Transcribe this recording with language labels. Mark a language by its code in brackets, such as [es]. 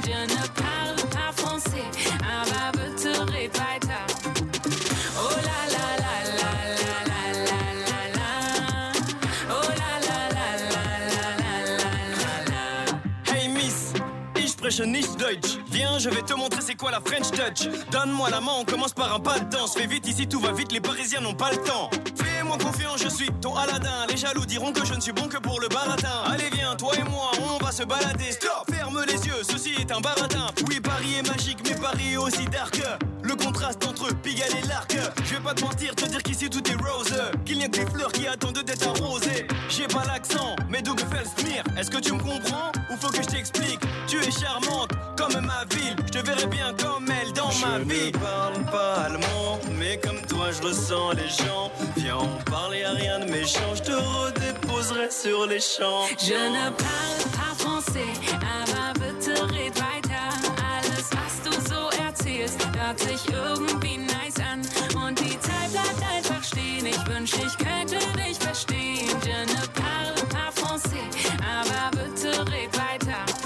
[fr] Je ne parle pas français, [de] aber bitte red weiter. Oh la la la la la la la la la. Oh la la la la la la la la la. Hey Miss, ich spreche nicht Deutsch. [fr] Viens, je vais te montrer c'est quoi la French Touch. Donne-moi la main, on commence par un pas de danse. Fais vite ici, tout va vite, les Parisiens n'ont pas le temps. Fais-moi confiance, je suis ton Aladdin. Les jaloux diront que je ne suis bon que pour le baratin. Allez viens, toi et moi, on va se balader. Stop, ferme les yeux, ceci est un baratin. Oui, Paris est magique, mais Paris est aussi dark. Le contraste entre Pigalle et l'Arc. Je vais pas te mentir, te dire qu'ici tout est rose. Qu'il n'y a que des fleurs qui attendent d'être arrosées. J'ai pas l'accent, mais d'où me fait le smir. Est-ce que tu me comprends ou faut que je t'explique? Tu es charmante comme ma ville. Je te verrai bien comme elle dans ma je vie. Je ne parle pas allemand, mais comme toi je ressens les gens. Viens on parle, y'a rien de méchant. Je te redéposerai sur les champs. Je ne parle pas français, [de] aber bitte red weiter. Alles was du so erzählst, hört sich irgendwie nice an. Und die Zeit bleibt einfach stehen. Ich wünsch ich könnte dich verstehen. [fr] Je ne parle pas français, [de] aber bitte red weiter.